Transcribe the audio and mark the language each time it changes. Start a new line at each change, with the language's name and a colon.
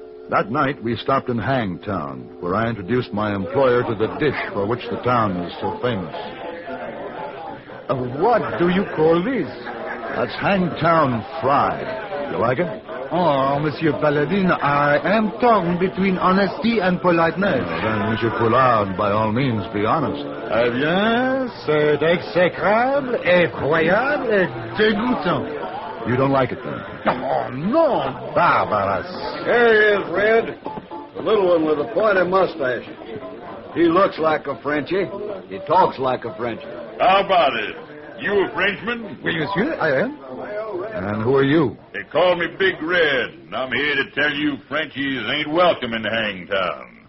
English: That night, we stopped in Hangtown, where I introduced my employer to the dish for which the town is so famous. What do you call this? That's Hangtown fried. You like it? Oh, Monsieur Paladin, I am torn between honesty and politeness. Oh, then, Monsieur Poulard, by all means, be honest.
French: Eh bien, c'est exécrable, effroyable, et dégoûtant.
English: You don't like it, then? Oh, no, barbarous. Here he is, Red. The little one with a pointed mustache. He looks like a Frenchie. He talks like a Frenchie. How about it? You a Frenchman?
French: Oui, monsieur,
English: I am. And who are you? They call me Big Red, and I'm here to tell you Frenchies ain't welcome in Hangtown.